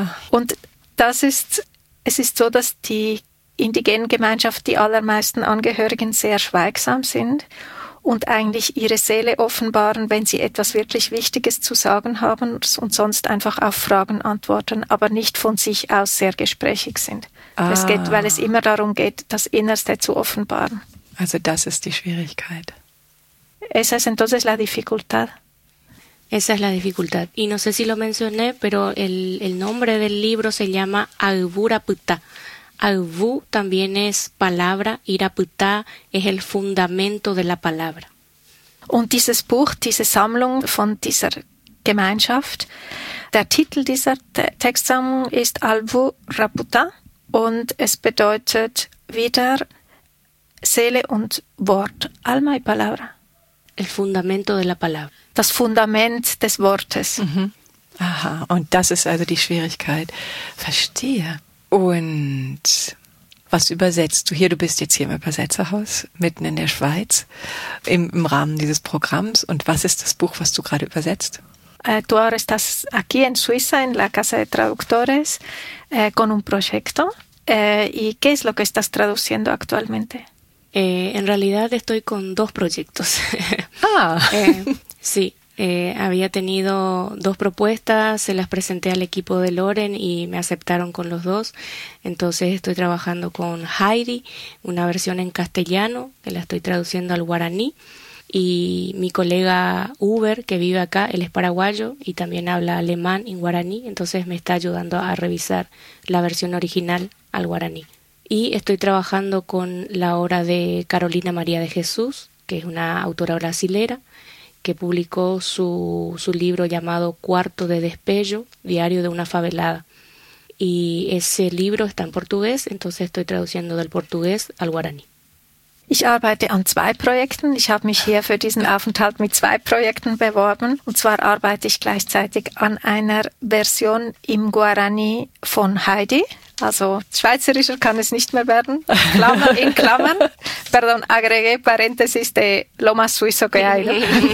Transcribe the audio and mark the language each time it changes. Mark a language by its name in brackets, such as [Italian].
[German] Und es ist so, dass die indigenen Gemeinschaft, die allermeisten Angehörigen, sehr schweigsam sind und eigentlich ihre Seele offenbaren, wenn sie etwas wirklich Wichtiges zu sagen haben und sonst einfach auf Fragen antworten, aber nicht von sich aus sehr gesprächig sind. Es geht, weil es immer darum geht, das Innerste zu offenbaren. Also das ist die Schwierigkeit. [Spanish] Esa es entonces la dificultad. Esa es la dificultad. Y no sé si lo mencioné, pero el nombre del libro se llama Agvuraputa. Agvu también es palabra, Iraputa es el fundamento de la palabra. [German] Und dieses Buch, diese Sammlung von dieser Gemeinschaft, der Titel dieser Textsammlung ist Agvuraputa und es bedeutet wieder Seele und Wort, [Spanish] Alma y Palabra. El fundamento de la palabra. [German] Das Fundament des Wortes. Mhm. Aha, und das ist also die Schwierigkeit. Verstehe. Und was übersetzt du hier? Du bist jetzt hier im Übersetzerhaus, mitten in der Schweiz, im Rahmen dieses Programms. Und was ist das Buch, was du gerade übersetzt? [Spanish] Du ahora estás aquí en Suiza, en la Casa de Traductores, con un proyecto. ¿Y qué es lo que estás traduciendo actualmente? En realidad estoy con dos proyectos. había tenido dos propuestas, se las presenté al equipo de Loren y me aceptaron con los dos. Entonces estoy trabajando con Heidi, una versión en castellano, que la estoy traduciendo al guaraní. Y mi colega Uber, que vive acá, él es paraguayo y también habla alemán y guaraní. Entonces me está ayudando a revisar la versión original al guaraní. Y estoy trabajando con la obra de Carolina María de Jesús, que es una autora brasilera, que publicó su libro llamado Cuarto de Despello, Diario de una Favelada. Y ese libro está en portugués, entonces estoy traduciendo del portugués al guaraní. [German] Ich arbeite an zwei Projekten. Ich habe mich hier für diesen Aufenthalt mit zwei Projekten beworben. Und zwar arbeite ich gleichzeitig an einer Version im Guarani von Heidi. Also schweizerischer kann es nicht mehr werden. Klammer in Klammern. [Spanish] Pardon, agregué paréntesis de Loma Suizo Geil.